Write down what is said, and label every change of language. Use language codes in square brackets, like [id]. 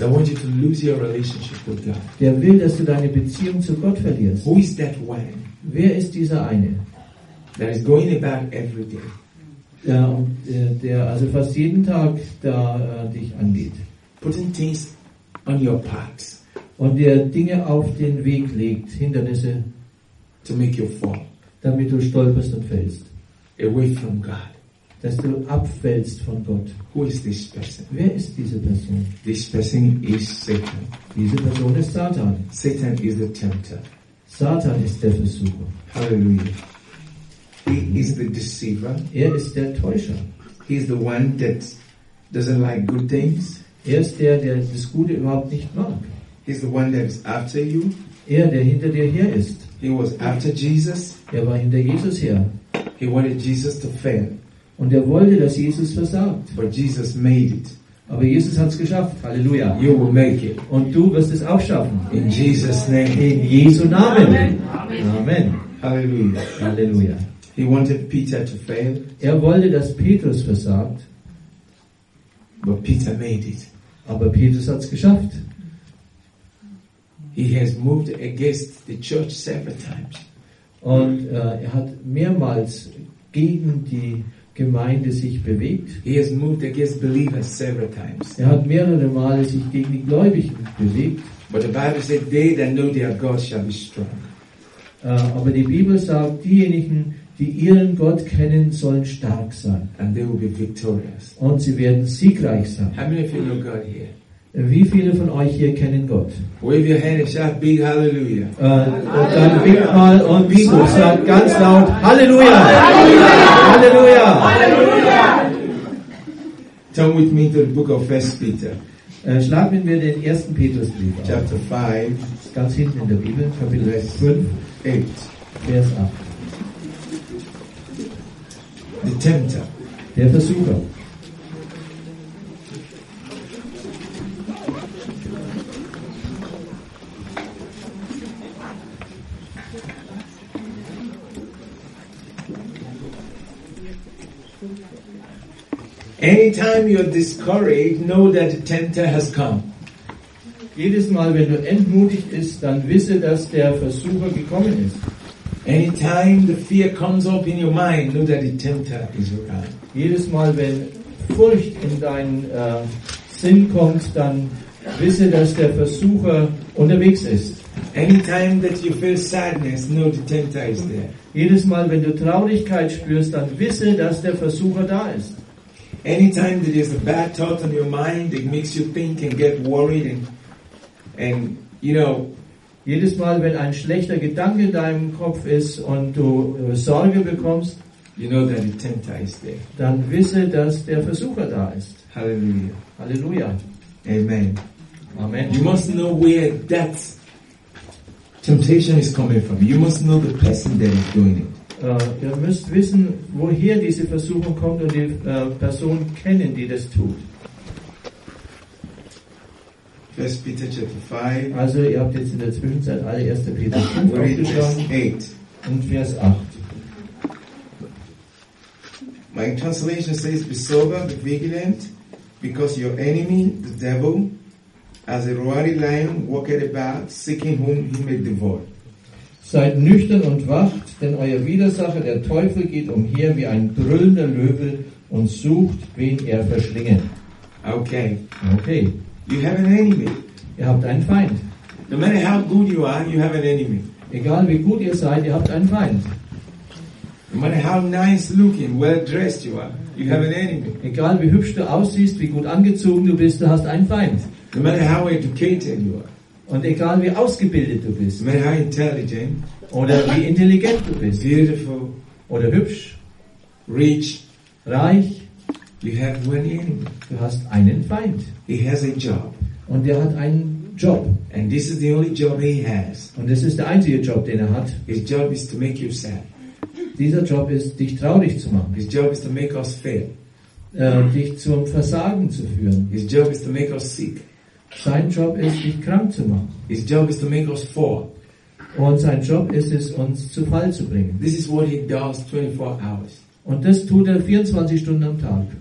[en] They want you to lose your relationship with God. [de] Der will, dass du deine Beziehung zu Gott verlierst. [en] Who is that one? [de] Wer ist dieser eine? [en] That is going about every day. [de] Der also fast jeden Tag da dich angeht. [en] Putting things on your path. [de] Und der Dinge auf den Weg legt, Hindernisse, [en] to make you fall. [de] Damit du stolperst und fällst. [en] Away from God. [de] Dass du abfällst von Gott. [en] Who is this person? [de] Wer ist diese Person? [en] This person is Satan. [de] Diese Person ist Satan. [en] Satan is the tempter. [de] Satan ist der Versucher. [en] Hallelujah. He is the deceiver. [de] Er ist der Täuscher. [en] He is the one that doesn't like good things. [de] Er ist der, der das Gute überhaupt nicht mag. [en] He is the one that is after you. [de] Er, der hinter dir her ist. [en] He was after Jesus. [de] Er war hinter Jesus her. [en] He wanted Jesus to fail. [de] Und er wollte, dass Jesus versagt. [en] But Jesus made it. [de] Aber Jesus hat es geschafft. Halleluja. [en] You will make it. [de] Und du wirst es auch schaffen. [en] In Jesus' name. [de] In Jesu Namen. Amen. Amen. Halleluja. Halleluja. [en] He wanted Peter to fail. [de] Er wollte, dass Petrus versagt. [en] But Peter made it. [de] Aber Petrus hat es geschafft. [en] He has moved against the church several times. [de] Und er hat mehrmals gegen die Gemeinde sich bewegt. [en] He has moved against believers several times. [de] Er hat mehrere Male sich gegen die Gläubigen bewegt. [en] But the Bible said, they that know their God shall be strong. [de] Aber die Bibel sagt, diejenigen, die ihren Gott kennen, sollen stark sein. [en] And they will be victorious. [de] Und sie werden siegreich sein. [en] How many of you know God here? [de] Wie viele von euch hier kennen Gott? [en] Wave your hand and shout big hallelujah. [de] Und dann wink mal und wink und sagt ganz laut Halleluja! Halleluja! [en] Turn with me to the book of 1 Peter. [de] Schlag mit mir den 1. Petrusbrief auf. [en] Chapter 5. [de] Ganz hinten in der Bibel. Kapitel 5. 8. Vers 8. [en] The tempter. [de] Der Versucher. [en] Anytime you're discouraged, know that the tempter has come. [de] Jedes Mal, wenn du entmutigt bist, dann wisse, dass der Versucher gekommen ist. [en] Anytime the fear comes up in your mind, know that the tempter is around. [de] Jedes Mal, wenn Furcht in deinen Sinn kommt, dann wisse, dass der Versucher unterwegs ist. [en] Anytime that you feel sadness, know the tempter is there. [de] Jedes Mal, wenn du Traurigkeit spürst, dann wisse, dass der Versucher da ist. [en] Anytime there is a bad thought on your mind, it makes you think and get worried, and you know. [de] Jedes Mal, wenn ein schlechter Gedanke in deinem Kopf ist und du Sorge bekommst, [en] you know that the tempter is there. [de] Dann wisse, dass der Versucher da ist. [en] Hallelujah. [de] Halleluja. Amen. Amen. [en] You must know where that temptation is coming from. You must know the person that is doing it. [de] Ihr müsst wissen, woher diese Versuchung kommt und die Person kennen, die das tut. [en] 1. Peter chapter 5. [de] Also ihr habt jetzt in der Zwischenzeit alle 1. Peter 5 aufgeschlagen. Und Vers 8. [en] My translation says, be sober, be vigilant, because your enemy, the devil, as a roaring lion, walketh about, seeking whom he may devour. [de] Seid nüchtern und wacht, denn euer Widersacher, der Teufel, geht umher wie ein brüllender Löwe und sucht, wen er verschlingen. Okay. Okay. [en] You have an enemy. [de] Ihr habt einen Feind. [en] No matter how good you are, you have an enemy. [de] Egal wie gut ihr seid, ihr habt einen Feind. [en] No matter how nice looking, well dressed you are, you have an enemy. [de] Egal wie hübsch du aussiehst, wie gut angezogen du bist, du hast einen Feind. [en] No matter how educated you are. [de] Und egal wie ausgebildet du bist, [en] man, how intelligent, [de] oder wie intelligent du bist, [en] beautiful, [de] oder hübsch, [en] rich, [de] reich, [en] you have one enemy. [de] Du hast einen Feind. [en] He has a job. [de] Und er hat einen Job. [en] And this is the only job he has. [de] Und das ist der einzige Job, den er hat. [en] His job is to make you sad. [de] Dieser Job ist, dich traurig zu machen. [en] His job is to make us fail. [de] Dich zum Versagen zu führen. [en] His job is to make us sick. [de] Sein Job ist, dich krank zu machen. [en] His job is to make us fall. [de] Und sein Job ist es, uns zu Fall zu bringen. [en] This is what he does 24 hours. [de] Und das tut er 24 Stunden am Tag.